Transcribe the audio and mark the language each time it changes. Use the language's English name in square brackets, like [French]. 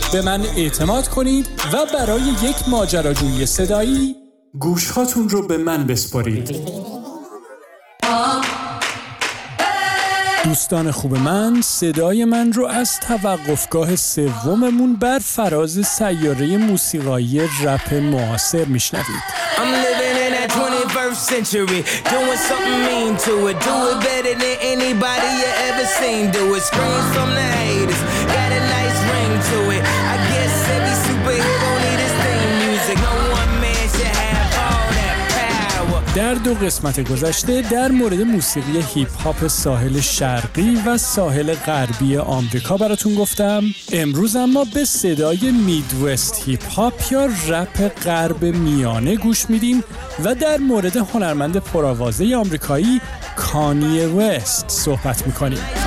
[Persian] به من اعتماد کنید و برای یک ماجراجویی صدایی گوش هاتون رو به من بسپارید. دوستان خوب من، صدای من رو از توقفگاه سوممون بر فراز سیاره موسیقایی رپ معاصر میشنوید. [English] Century, doing something mean to it, do it better than anybody you ever seen do it, screams from the haters, got a nice ring to it, I guess every superhero need his theme music, no one man should have all that power. [Persian] در دو قسمت گذشته در مورد موسیقی هیپ هاپ ساحل شرقی و ساحل غربی آمریکا براتون گفتم. امروز اما به صدای میدوست هیپ هاپ یا رپ غرب میانه گوش میدیم و در مورد هنرمند پرآوازه آمریکایی کانی وست صحبت میکنیم.